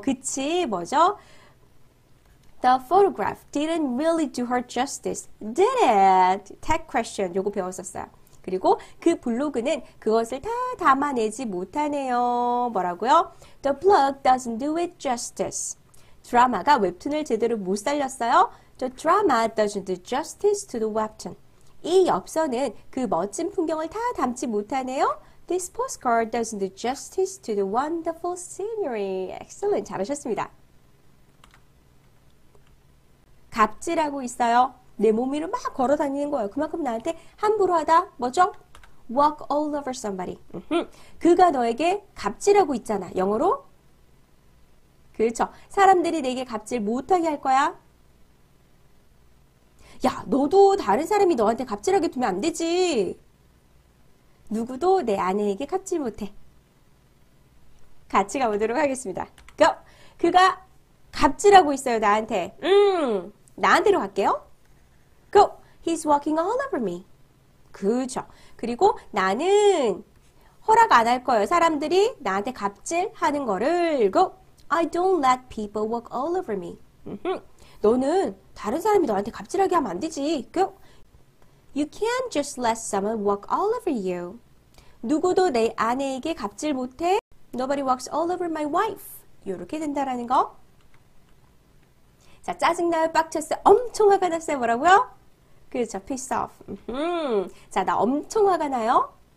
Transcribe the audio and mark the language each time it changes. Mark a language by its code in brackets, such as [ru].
[ko] 그치? 뭐죠? [en] The photograph didn't really do her justice. Did it? Tag question. [ko] 요거 배웠었어요. 그리고 그 블로그는 그것을 다 담아내지 못하네요. 뭐라고요? [en] The blog doesn't do it justice. [ko] 드라마가 웹툰을 제대로 못 살렸어요. [en] The drama doesn't do justice to the webtoon. [ko] 이 엽서는 그 멋진 풍경을 다 담지 못하네요. [en] This postcard doesn't do justice to the wonderful scenery. Excellent. [ko] 잘하셨습니다. 갑질하고 있어요. 내 몸이를 막 걸어 다니는 거예요. 그만큼 나한테 함부로 하다. 뭐죠? [en] Walk all over somebody. [ko] 그가 너에게 갑질하고 있잖아. 영어로? 그렇죠. 사람들이 내게 갑질 못하게 할 거야. 야, 너도 다른 사람이 너한테 갑질하게 두면 안 되지. 누구도 내 아내에게 갑질 못해. 같이 가보도록 하겠습니다. [en] Go! [ko] 그가 갑질하고 있어요, 나한테. 나한테로 갈게요. [en] Go. He's walking all over me. [ko] 그쵸. 그리고 나는 허락 안할 거예요. 사람들이 나한테 갑질하는 거를. [en] Go. I don't let people walk all over me. [ko] 너는 다른 사람이 너한테 갑질하게 하면 안 되지. [en] Go. You can't just let someone walk all over you. [ko] 누구도 내 아내에게 갑질 못해. [en] Nobody walks all over my wife. [ko] 이렇게 된다라는 거. 자, 짜증나요? 빡쳤어요? 엄청 화가 났어요? 뭐라고요? 그렇죠. [en] Piss off. [ko] 자, 나 엄청 화가 나요.